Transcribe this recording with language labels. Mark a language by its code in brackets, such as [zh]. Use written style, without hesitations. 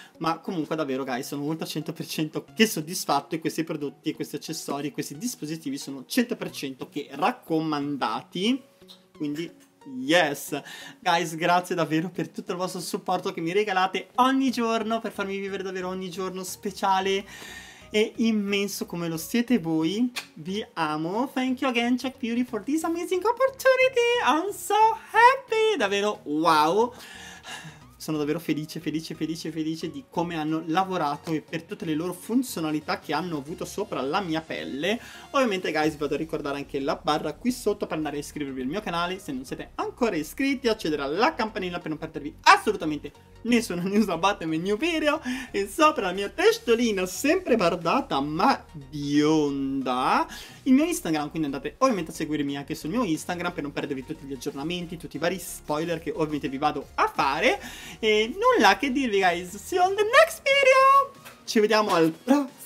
[it] Ma comunque davvero, guys, sono molto al 100% che soddisfatto, e questi prodotti e questi accessori e questi dispositivi sono 100% che raccomandati. Quindi yes, guys, grazie davvero per tutto il vostro supporto che mi regalate ogni giorno, per farmi vivere davvero ogni giorno speciale e immenso come lo siete voi. Vi amo. [en] Thank you again, Check Beauty, for this amazing opportunity. I'm so happy, [it] davvero wow. sono davvero felice di come hanno lavorato e per tutte le loro funzionalità che hanno avuto sopra la mia pelle. Ovviamente, guys, vado a ricordare anche la barra qui sotto per andare a iscrivervi al mio canale se non siete ancora iscritti, accedere alla campanella per non perdervi assolutamente nessuna [en] news about my new video, [it] e sopra la mia testolina sempre bardata ma bionda il mio Instagram, quindi andate ovviamente a seguirmi anche sul mio Instagram per non perdervi tutti gli aggiornamenti, tutti i vari spoiler che ovviamente vi vado a fare. E nulla che dirvi, guys, [en] see you on the next video, [it] ci vediamo al prossimo.